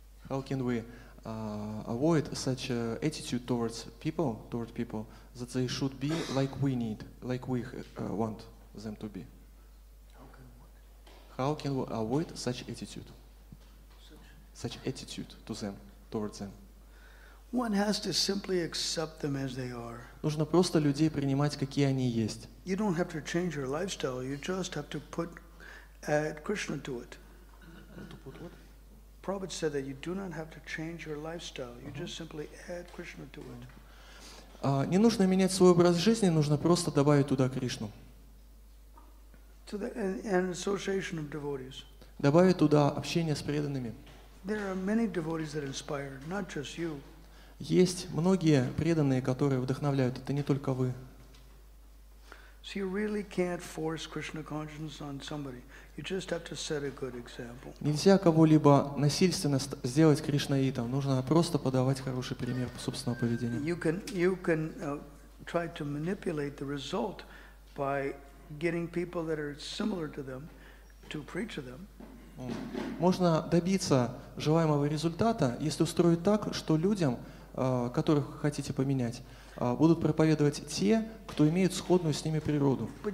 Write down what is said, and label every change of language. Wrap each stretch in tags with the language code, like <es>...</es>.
<en>How can we avoid such attitude towards people that they should be like we want them to be? How can we avoid such attitude to them, towards them? One has to simply accept them as they are.</en> <ru>Нужно просто людей принимать, какие они есть.</ru> <en>You don't have to change your lifestyle. You just have to put Krishna to it. To put what? Prabhupada said that you do not have to change your lifestyle. You just simply add Krishna to it.</en> <ru>Не нужно менять свой образ жизни, нужно просто добавить туда Кришну.</ru> <en>To the an association of devotees.</en> <ru>Добавить туда общение с преданными.</ru> <en>There are many devotees that inspire, not just you.</en> <ru>Есть многие преданные, которые вдохновляют. Это не только вы.</ru> <en>So you really can't force Krishna consciousness on somebody. You just have to set a good example.</en> <ru>Нельзя кого-либо насильственно сделать кришнаитом. Нужно просто подавать хороший пример собственного поведения.</ru> <en>You can try to manipulate the result by getting people that are similar to them to preach to them.</en> <ru>Можно добиться желаемого результата, если устроить так, что людям, которых хотите поменять, будут проповедовать те, кто имеют сходную с ними природу.</ru>